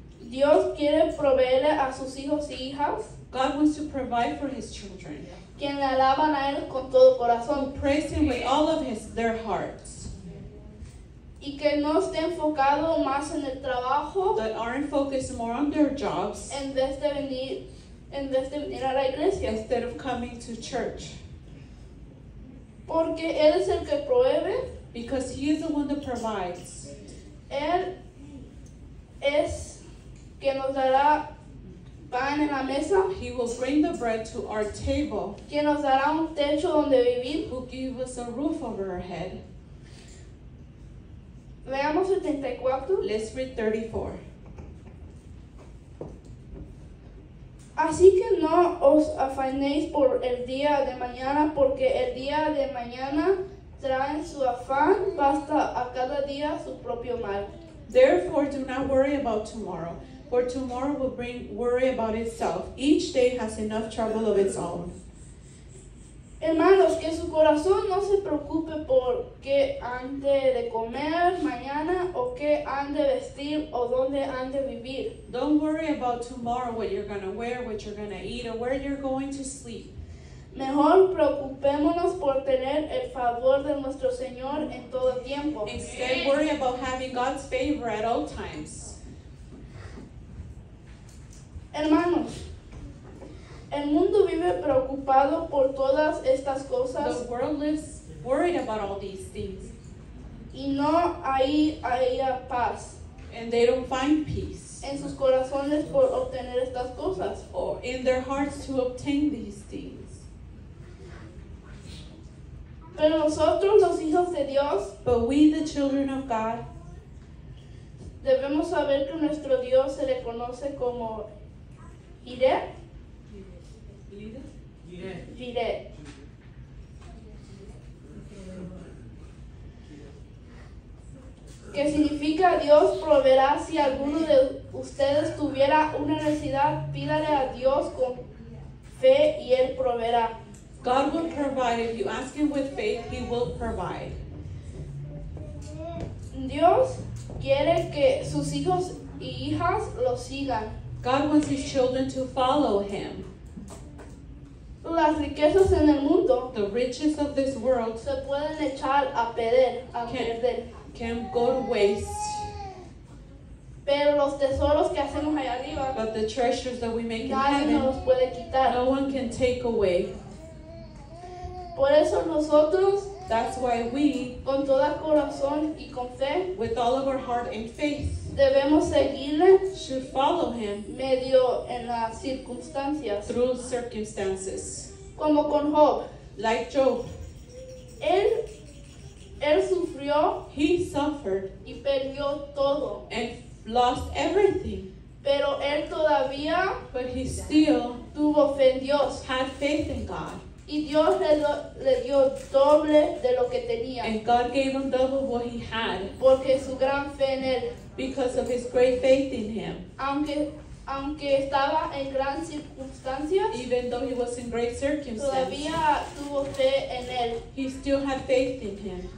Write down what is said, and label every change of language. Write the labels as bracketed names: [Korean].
[Spanish] Dios quiere proveerle a sus hijos y hijas. [English] God wants to provide for his children. [Spanish] Quien le alaban a él con todo corazón. [English] Who praise him with all of their hearts. [Spanish] Y que no esté enfocado más en el trabajo. [English] That aren't focused more on their jobs. [Spanish] En vez de venir a la iglesia. [English] Instead of coming to church. [Spanish] Porque él es el que provee. [English] Because he is the one that provides. [Spanish] Él es que nos dará pan en la mesa. [English] He will bring the bread to our table. [Spanish] Que nos dará un techo donde vivir. [English] Who gives us a roof over our head. [Spanish] Veamos el 34. [English] Let's read 34. [Spanish] Así que no os afanéis por el día de mañana, porque el día de mañana traen su afán, basta a cada día su propio mal. [English] Therefore, do not worry about tomorrow, for tomorrow will bring worry about itself. Each day has enough trouble of its own. [Spanish] Hermanos, que su corazón no se preocupe por qué han de comer mañana o qué han de vestir o dónde han de vivir. [English] Don't worry about tomorrow, what you're going to wear, what you're going to eat, or where you're going to sleep. [Spanish] Mejor preocupémonos por tener el favor de nuestro Señor en todo tiempo. [English] Instead, worry about having God's favor at all times. [Spanish] Hermanos, el mundo vive preocupado por todas estas cosas. [English] The world lives worried about all these things. [Spanish] Y no hay haya paz. [English] And they don't find peace. [Spanish] En sus corazones por obtener estas cosas. [English] Or in their hearts to obtain these things. [Spanish] Pero nosotros, los hijos de Dios, [English] but we, the children of God, [Spanish] debemos saber que nuestro Dios se le conoce como Jireh. [English] Jireh. [Spanish] Que significa Dios proveerá. Si alguno de ustedes tuviera una necesidad, pídale a Dios con fe y Él proveerá. [English] God will provide. If you ask him with faith, he will provide. [Spanish] Dios quiere que sus hijos y hijas lo sigan. [English] God wants his children to follow him. [Spanish] Las riquezas en el mundo, [English] the riches of this world, [Spanish] se pueden echar a perder, perder. [English] Can go to waste. [Spanish] Pero los tesoros que hacemos allá arriba, [English] but the treasures that we make in heaven, [Spanish] nos puede quitar. [English] No one can take away. [Spanish] Por eso nosotros, [English] that's why we, [Spanish] con todo corazón y con fe, [English] with all of our heart and faith, [Spanish] debemos seguirle, [English] should follow him, [Spanish] medio en las circunstancias, [English] through circumstances, [Spanish] como con Job, [English] like Job, [Spanish] él sufrió, [English] he suffered, [Spanish] y perdió todo, [English] and lost everything, [Spanish] pero él todavía, [English] but he still, [Spanish] tuvo fe en Dios, [English] had faith in God. [Spanish] Y Dios le dio doble de lo que tenía. [English] And God gave him double what he had. [Spanish] Porque su gran fe en él. [English] Because of his great faith in him. [Spanish] Aunque estaba en gran circunstancias. [English] Even though he was in great circumstances. [Spanish] Todavía tuvo fe en él. [English] He still had faith in him.